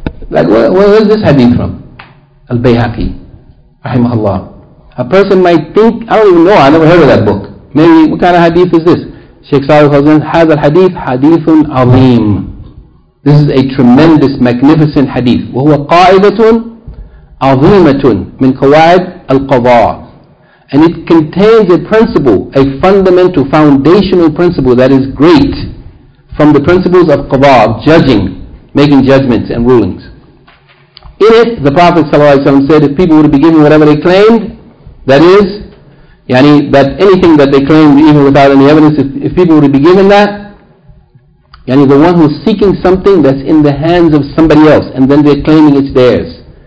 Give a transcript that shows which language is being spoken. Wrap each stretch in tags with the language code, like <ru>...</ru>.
<en>Like, where is this hadith from? Al-Bayhaqi, rahimahullah. A person might think, I don't even know, I never heard of that book. Maybe, what kind of hadith is this?</en> <ar>Shaykh Saleh Fawzan, هذا الحديث hadithun azim.</ar> <en>This is a tremendous, magnificent hadith.</en> <ar>وهو قاعدة عظيمة من قواعد القضاء.</ar> <en>And it contains a principle, a fundamental, foundational principle that is great from the principles of qadha, of judging, making judgments and rulings. In it, the Prophet ﷺ said, if people were to be given whatever they claimed, that is, yani that anything that they claimed even without any evidence, if people were to be given that, yani the one who's seeking something that's in the hands of somebody else, and then they're claiming it's theirs.</en>